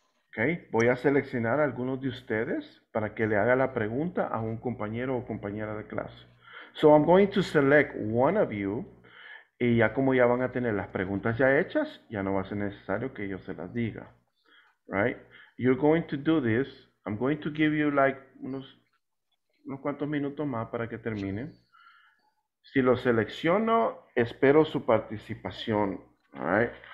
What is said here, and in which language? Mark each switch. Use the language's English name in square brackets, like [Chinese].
[Spanish] Ok, voy a seleccionar a algunos de ustedes para que le haga la pregunta a un compañero o compañera de clase. [English] So I'm going to select one of you. [Spanish] Y ya como ya van a tener las preguntas ya hechas, ya no va a ser necesario que yo se las diga. [English] Right? You're going to do this. I'm going to give you like [Spanish] unos cuantos minutos más para que terminen. Si lo selecciono, espero su participación, right?